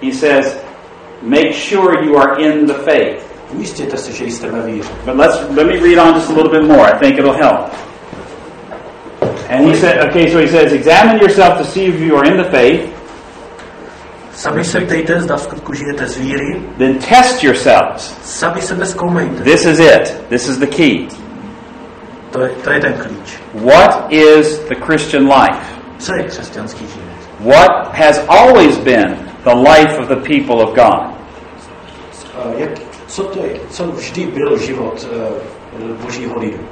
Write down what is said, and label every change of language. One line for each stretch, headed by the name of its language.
English: He says, make sure you are in the faith. But let me read on just a little bit more. I think it'll help. And he said, okay, so he says, examine yourself to see if you are in the faith.
Czech: Sami se ptejte, zda v skutku žijete z víry.
English: Then test yourselves.
Czech: Sami sebe zkoumejte.
English: This is it. This is the key.
Czech: To je ten klíč.
English: What is the Christian life?
Czech: Co je křesťanský život?
English: What has always been the life of the people of God?
Czech: Co to je? Co vždy byl život Božího lidu?